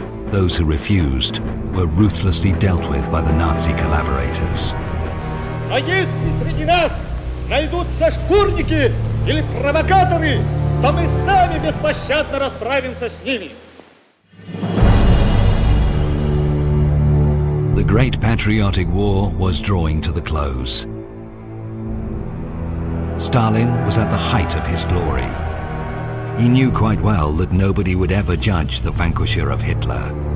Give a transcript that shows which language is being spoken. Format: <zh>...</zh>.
<en>Those who refused were ruthlessly dealt with by the Nazi collaborators.</en> <ru>А если среди нас найдутся шкурники или провокаторы, то мы сами беспощадно расправимся с ними.</ru> <en>The Great Patriotic War was drawing to the close. Stalin was at the height of his glory. He knew quite well that nobody would ever judge the vanquisher of Hitler.</en>